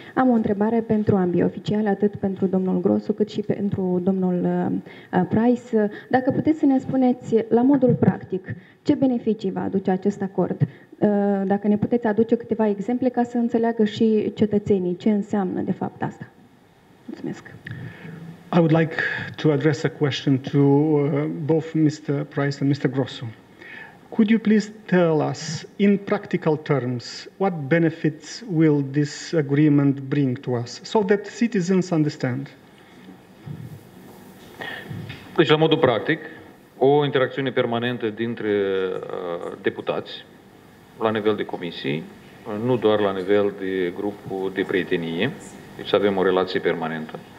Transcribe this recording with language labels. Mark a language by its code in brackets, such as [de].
[ro] Am o întrebare pentru ambii oficiali, atât pentru domnul Grosu, cât și pentru domnul Price. Dacă puteți să ne spuneți, la modul practic, ce beneficii va aduce acest acord? Dacă ne puteți aduce câteva exemple ca să înțeleagă și cetățenii ce înseamnă de fapt asta. Mulțumesc. [en] I would like to address a question to both Mr. Price and Mr. Grosu. Could you please tell us, in practical terms, what benefits will this agreement bring to us, so that citizens understand? [ro] Deci, la modul practic, o interacțiune permanentă dintre deputați, la nivel de comisii, nu doar la nivel de grupul de prietenie, deci să avem o relație permanentă.